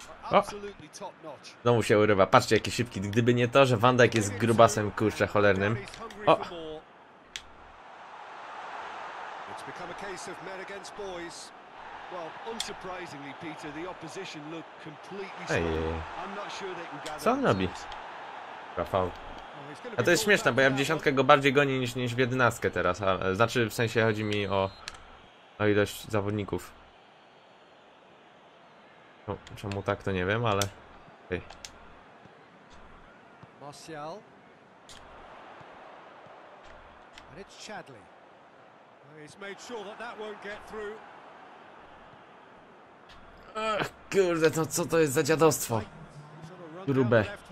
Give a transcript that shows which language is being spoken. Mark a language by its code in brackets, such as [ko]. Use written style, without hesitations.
[pl] O, znowu się urywa. Patrzcie, jakie szybki. Gdyby nie to, że Van Dijk jest grubasem, kurczę, cholernym. O. [en] It's become a case of men against boys. Well, unsurprisingly, Peter, the opposition look completely stunned. I'm not sure they can gather. [pl] Co on robi? Rafał. A to jest śmieszne, bo ja w dziesiątkę go bardziej gonię niż w jedenastkę teraz. A, znaczy, w sensie chodzi mi o ilość zawodników. No, czemu tak, to nie wiem, ale... Ej. Martial. [en] And it's Chadli. He's made sure that that won't get through. [pl] Ach, kurde, to co to jest za dziadostwo? Grube.